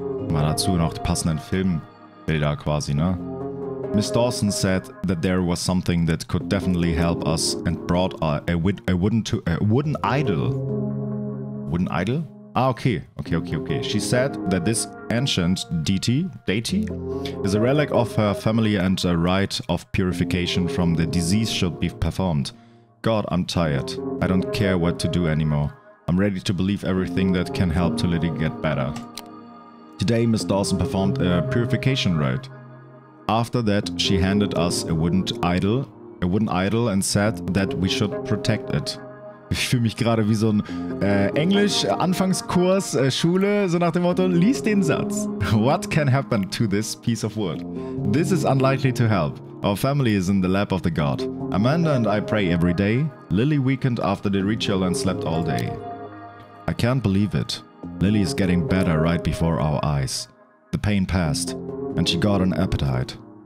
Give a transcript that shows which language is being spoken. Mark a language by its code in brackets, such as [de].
[de] Mal dazu noch die passenden Filmbilder quasi, ne? [en] Miss Dawson said that there was something that could definitely help us and brought a wooden idol. Wooden idol? Okay. She said that this ancient deity is a relic of her family and a rite of purification from the disease should be performed. God, I'm tired. I don't care what to do anymore. I'm ready to believe everything that can help to Lily get better. Today, Miss Dawson performed a purification rite. After that, she handed us a wooden idol and said that we should protect it. [de] Ich fühle mich gerade wie so ein Englisch-Anfangskurs, Schule, so nach dem Motto, lies den Satz. [en] What can happen to this piece of wood? This is unlikely to help. Our family is in the lap of the god. Amanda and I pray every day. Lily weakened after the ritual and slept all day. I can't believe it. Lily is getting better right before our eyes. The pain passed, and she got an appetite.